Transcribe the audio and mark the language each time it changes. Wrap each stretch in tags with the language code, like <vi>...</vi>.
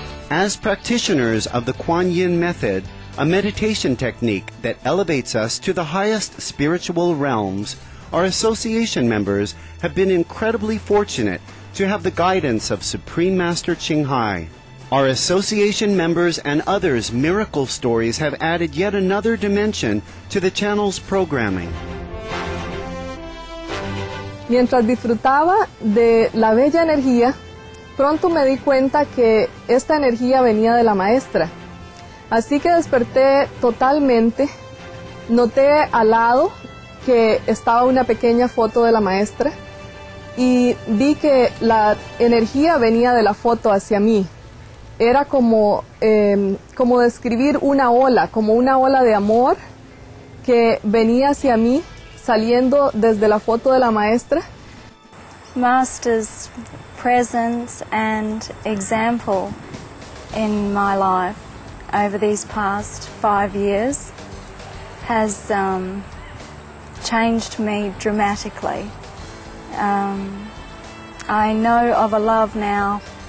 <en>As practitioners of the Kuan Yin method, a meditation technique that elevates us to the highest spiritual realms, our association members have been incredibly fortunate to have the guidance of Supreme Master Qinghai. Our association members and others' miracle stories have added yet another dimension to the channel's programming.</en> <es>Mientras disfrutaba de la bella energía, pronto me di cuenta que esta energía venía de la maestra. Así que desperté totalmente, noté al lado que estaba una pequeña foto de la maestra y vi que la energía venía de la foto hacia mí. Era como, como describir una ola, como una ola de amor que venía hacia mí saliendo desde la foto de la maestra.</es> <en>Master's presence and example in my life over these past 5 years has changed me dramatically. I know of a love now</en>